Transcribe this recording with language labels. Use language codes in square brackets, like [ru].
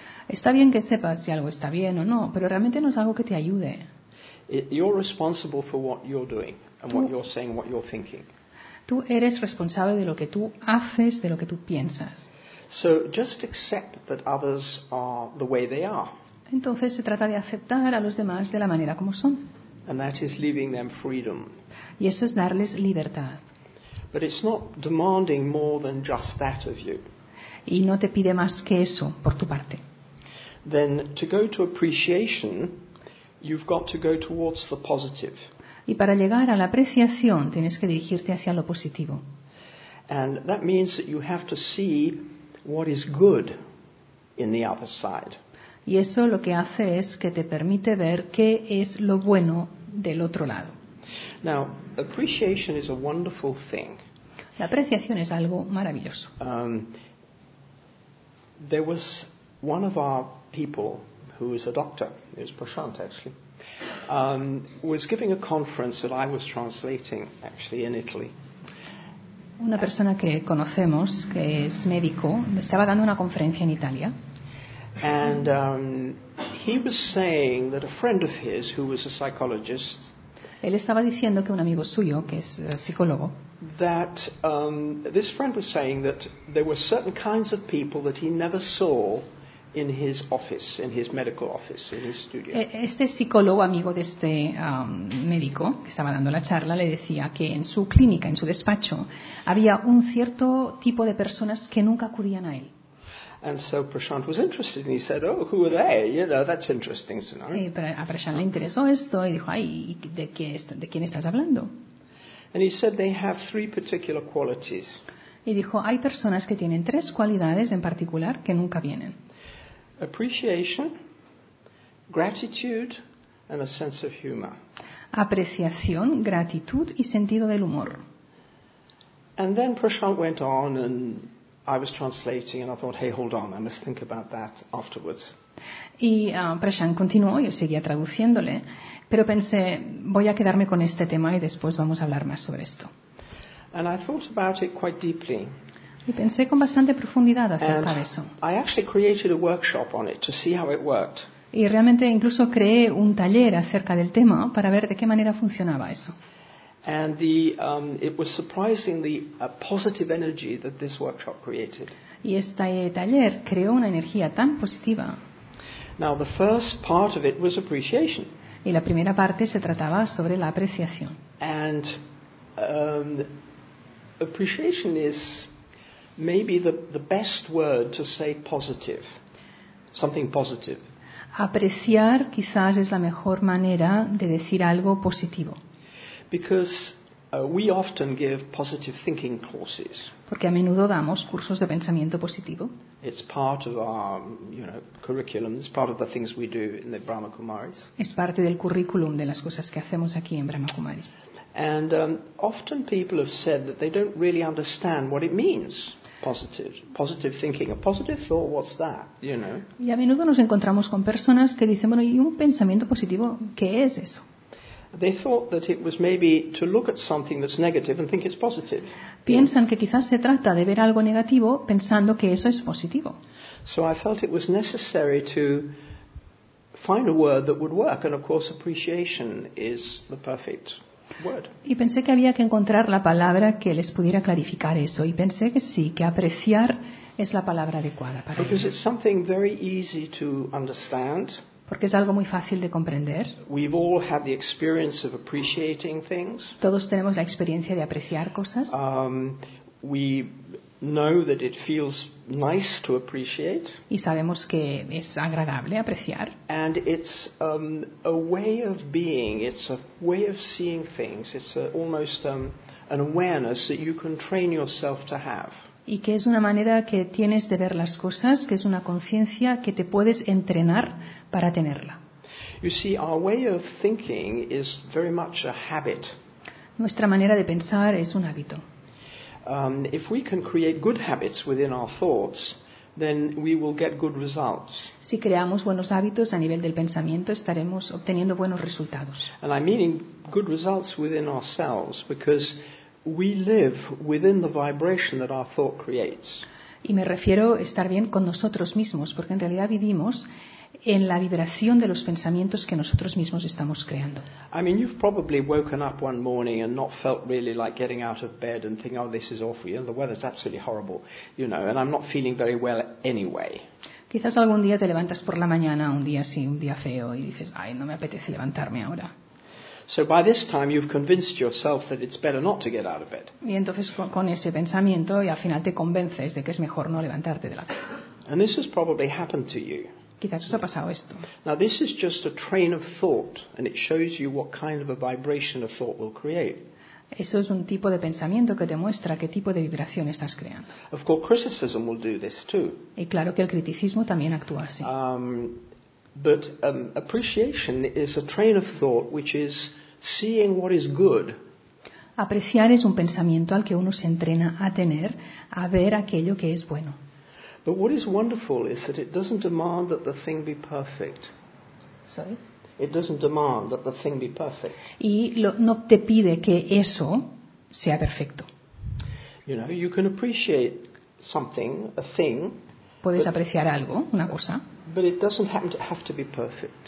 [es] Está bien que sepas si algo está bien o no, pero realmente no es algo que te ayude. [en] You're responsible for what you're doing and what you're saying, what you're thinking. [es] Tú eres responsable de lo que tú haces, de lo que tú piensas. [en] So just accept that others are the way they are. [es] Entonces se trata de aceptar a los demás de la manera como son. [en] And that is leaving them freedom. [es] Y eso es darles libertad. [en] But it's not demanding more than just that of you. [es] Y no te pide más que eso por tu parte. [en] Then to go to appreciation, you've got to go towards the positive. [es] Y para llegar a la apreciación, tienes que dirigirte hacia lo positivo. [en] And that means that you have to see what is good in the other side. [es] Y eso lo que hace es que te permite ver qué es lo bueno del otro lado. [en] Now, appreciation is a wonderful thing. [es] La apreciación es algo maravilloso. [en] There was one of our people who is a doctor, it was Prashant actually, was giving a conference that I was translating actually in Italy. [es] Una persona que conocemos, que es médico, estaba dando una conferencia en Italia. [en] And he was saying that a friend of his, who was a psychologist, [es] él estaba diciendo que un amigo suyo, que es psicólogo, [en] that this friend was saying that there were certain kinds of people that he never saw in his office, in his medical office, in his studio. [es] Este psicólogo, amigo de este médico que estaba dando la charla, le decía que en su clínica, en su despacho, había un cierto tipo de personas que nunca acudían a él. [en] And so Prashant was interested, and he said, "Oh, who are they? You know, that's interesting to know." [es] Y a Prashant le interesó esto y dijo, "Ay, ¿de quién estás hablando?" [en] And he said they have three particular qualities. [es] Y dijo, hay personas que tienen tres cualidades en particular que nunca vienen. [en] Appreciation, gratitude, and a sense of humor. [es] apreciación, gratitud y sentido del humor. [en] And then Prashant went on and I was translating and I thought, hey, hold on, I must think about that afterwards. [es] Y Prashant continuó, yo seguía traduciéndole, pero pensé, voy a quedarme con este tema y después vamos a hablar más sobre esto. [en] And I thought about it quite deeply. [es] Y pensé con bastante profundidad acerca [en] and [es] de eso. [en] I actually created a workshop on it to see how it worked. [es] Y realmente incluso creé un taller acerca del tema para ver de qué manera funcionaba eso. [en] And the, it was surprisingly a positive energy that this workshop created. [es] Y este taller creó una energía tan positiva. [en] Now the first part of it was appreciation. [es] Y la primera parte se trataba sobre la apreciación. [en] And appreciation is maybe the best word to say positive, something positive. [es] Apreciar quizás es la mejor manera de decir algo positivo. [en] Because we often give positive thinking courses. [es] Porque a menudo damos cursos de pensamiento positivo. [en] It's part of our, you know, curriculum. It's part of the things we do in the Brahma Kumaris. [es] Es parte del currículum de las cosas que hacemos aquí en Brahma Kumaris. [en] And often people have said that they don't really understand what it means. Positive thinking, a positive thought, what's that, you know? [es] Y a menudo nos encontramos con personas que dicen, bueno, ¿y un pensamiento positivo qué es eso? [en] They thought that it was maybe to look at something that's negative and think it's positive. [es] Piensan que quizás se trata de ver algo negativo pensando que eso es positivo. [en] So I felt it was necessary to find a word that would work, and of course appreciation is the perfect word. [es] Y pensé que había que encontrar la palabra que les pudiera clarificar eso, y pensé que sí, que apreciar es la palabra adecuada para [en] Because [es] ellos. [en] It's something very easy to understand. [es] Porque es algo muy fácil de comprender. [en] We've all had the experience of appreciating things. [es] Todos tenemos la experiencia de apreciar cosas. [en] We know that it feels nice to appreciate. [es] Y sabemos que es agradable apreciar. [en] And it's a way of being, it's a way of seeing things, it's a, almost an awareness that you can train yourself to have. [es] Y que es una manera que tienes de ver las cosas, que es una conciencia que te puedes entrenar para tenerla. [en] You see, our way of thinking is very much a habit. [es] Nuestra manera de pensar es un hábito. [en] If we can create good habits within our thoughts, then we will get good results. [es] Si creamos buenos hábitos a nivel del pensamiento, estaremos obteniendo buenos resultados. [en] And I mean good results within ourselves, because we live within the vibration that our thought creates. [es] Y me refiero a estar bien con nosotros mismos, porque en realidad vivimos en la vibración de los pensamientos que nosotros mismos estamos creando. [en] I mean, you've probably woken up one morning and not felt really like getting out of bed and think, oh, this is awful, you know, the weather's absolutely horrible, you know, and I'm not feeling very well anyway. [es] Quizás algún día te levantas por la mañana, un día así, un día feo, y dices, ay, no me apetece levantarme ahora. [en] So by this time you've convinced yourself that it's better not to get out of bed. [es] Y entonces con ese pensamiento y al final te convences de que es mejor no levantarte de la cama. [en] And this has probably happened to you. [es] Quizás os ha pasado esto. [en] Now this is just a train of thought and it shows you what kind of a vibration a thought will create. [es] Eso es un tipo de pensamiento que demuestra qué tipo de vibración estás creando. [en] Of course criticism will do this too. [es] Y claro que el criticismo también actúa así. [en] But appreciation is a train of thought which is seeing what is good. [es] Apreciar es un pensamiento al que uno se entrena a tener, a ver aquello que es bueno. [en] But what is wonderful is that it doesn't demand that the thing be perfect. Sorry? It doesn't demand that the thing be perfect. [es] Y no te pide que eso sea perfecto. [en] You know, you can appreciate something, a thing. [es] Puedes apreciar algo, una cosa. [en] But it doesn't happen to have to be perfect.